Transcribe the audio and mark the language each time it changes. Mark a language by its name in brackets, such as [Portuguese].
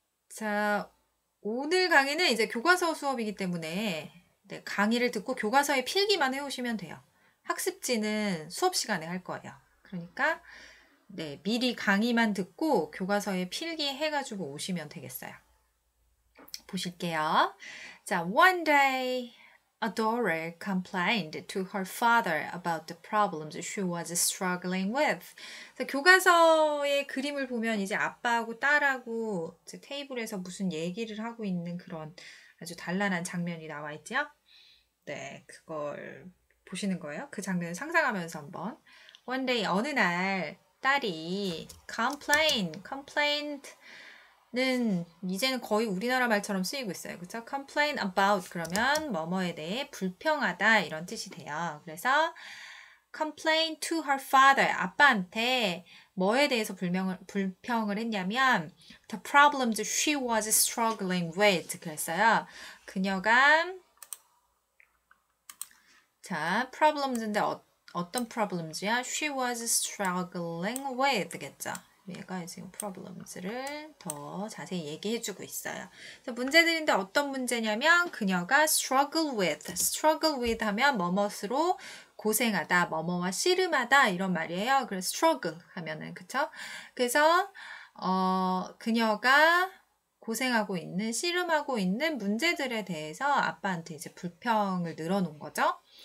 [Korean] 자, 오늘 강의는 이제 교과서 수업이기 때문에 네, 강의를 듣고 교과서에 필기만 해 오시면 돼요. 학습지는 수업 시간에 할 거예요. 그러니까 네, 미리 강의만 듣고 교과서에 필기해 가지고 오시면 되겠어요. 보실게요. [English] 자, one day a daughter complained to her father about the problems she was struggling with. [Korean] 교과서의 그림을 보면 이제 아빠하고 딸하고 이제 테이블에서 무슨 얘기를 하고 있는 그런 아주 단란한 장면이 나와 있죠? 네, 그걸 보시는 거예요. 그 장면을 상상하면서 한번. [English] One day, [Korean] 어느 날, 딸이 complained. 는 이제는 거의 우리나라 말처럼 쓰이고 있어요. 그렇죠? [English] Complain about [Korean] 그러면 뭐뭐에 대해 불평하다 이런 뜻이 돼요. 그래서 [English] complain to her father [Korean] 아빠한테 뭐에 대해서 불평을 했냐면 [English] the problems she was struggling with [Korean] 그랬어요. 그녀가 자, problems인데 어떤 problems야? [English] She was struggling with [Korean] 겠죠? 얘가 지금 problems를 더 자세히 얘기해주고 있어요. 그래서 문제들인데 어떤 문제냐면 그녀가 [English] struggle with [Korean] 하면 뭐뭐로 고생하다, 뭐뭐와 씨름하다 이런 말이에요. 그래서 struggle 하면은 그쵸? 그래서 그녀가 고생하고 있는, 씨름하고 있는 문제들에 대해서 아빠한테 이제 불평을 늘어놓은 거죠.